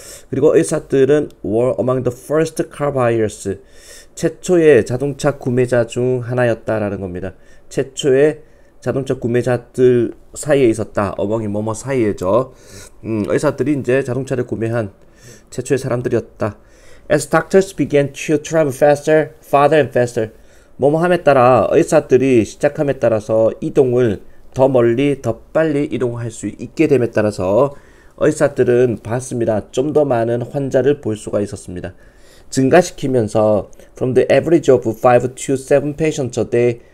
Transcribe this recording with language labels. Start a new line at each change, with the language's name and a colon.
Korean: 그리고 의사들은
English: were among the first car buyers.
Korean: 최초의 자동차 구매자 중 하나였다라는 겁니다. 최초의 자동차 구매자들 사이에 있었다. among이 뭐뭐 사이에죠. 의사들이 이제 자동차를 구매한 최초의 사람들이었다.
English: As doctors began to travel faster, farther and faster.
Korean: 뭐뭐함에 따라 의사들이 시작함에 따라서 이동을 더 멀리, 더 빨리 이동할 수 있게 됨에 따라서 의사들은 봤습니다. 좀더 많은 환자를 볼 수가 있었습니다. 증가시키면서
English: from the average of 5 to 7 patients a day.